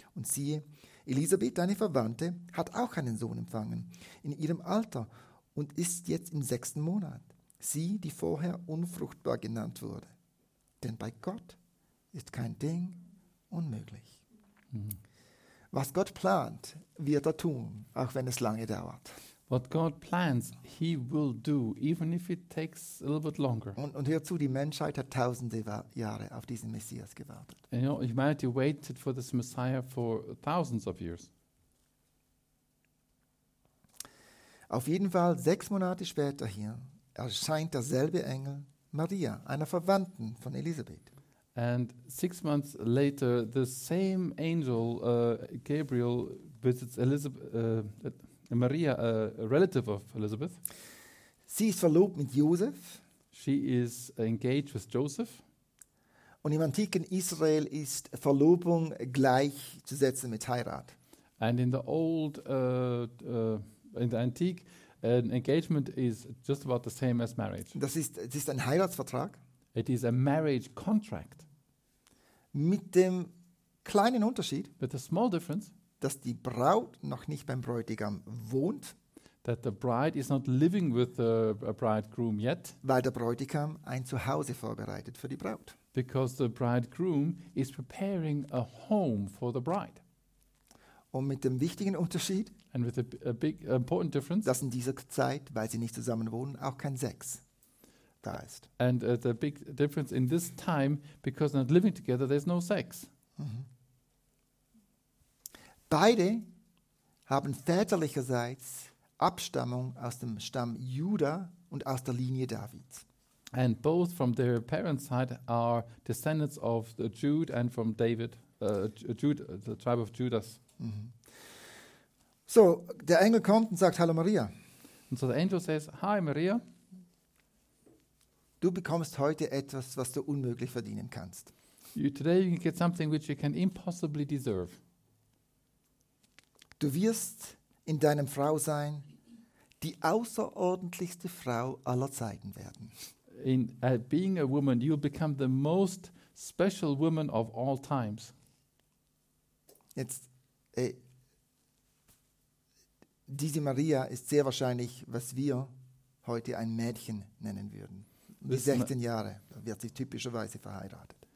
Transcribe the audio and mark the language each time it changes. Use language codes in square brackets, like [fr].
[de] Und siehe, Elisabeth, deine Verwandte, hat auch einen Sohn empfangen, in ihrem Alter, und ist jetzt im sechsten Monat. Sie, die vorher unfruchtbar genannt wurde. Denn bei Gott ist kein Ding unmöglich. Mhm. Was Gott plant, wird er tun, auch wenn es lange dauert. [en] What God plans, he will do, even if it takes a little bit longer. [de] Und hör zu, die Menschheit hat tausende Jahre auf diesen Messias gewartet. [en] And you know, humanity waited for this Messiah for thousands of years. [de] Auf jeden Fall, sechs Monate später hier, erscheint derselbe Engel Maria, einer Verwandten von Elisabeth. [en] And 6 months later, the same angel, Gabriel, visits Elizabeth. Maria, a relative of Elizabeth. [de] Sie ist verlobt mit Josef. [en] She is engaged with Joseph. [de] Und im antiken Israel ist Verlobung gleichzusetzen mit Heirat. [en] And in the old, in the antique, an engagement is just about the same as marriage. [de] Das ist ein Heiratsvertrag. [en] It is a marriage contract. [de] Mit dem kleinen Unterschied. [en] With a small difference. [de] Dass die Braut noch nicht beim Bräutigam wohnt. [en] That the bride is not living with the bridegroom yet. [de] Weil der Bräutigam ein Zuhause vorbereitet für die Braut. [en] Because the bridegroom is preparing a home for the bride. [de] Und mit dem wichtigen Unterschied. [en] And with a big important difference. [de] Dass in dieser Zeit, weil sie nicht zusammen wohnen, auch kein Sex da ist. [en] And the big difference in this time, because not living together, there's no sex. Mm-hmm. [de] Beide haben väterlicherseits Abstammung aus dem Stamm Juda und aus der Linie Davids. [en] And both from their parents' side are descendants of the Jude and from David, Jude, the tribe of Judas. Mm-hmm. [de] So, der Engel kommt und sagt: Hallo Maria. [en] And so the angel says: Hi Maria. [de] Du bekommst heute etwas, was du unmöglich verdienen kannst. [en] Today you get something which you can impossibly deserve. [de] Du wirst in deinem Frau sein die außerordentlichste Frau aller Zeiten werden. [en] In being a woman, you'll become the most special woman of all times. [de] Jetzt, diese Maria ist sehr wahrscheinlich, was wir heute ein Mädchen nennen würden. Die 16 Jahre wird sie typischerweise verheiratet.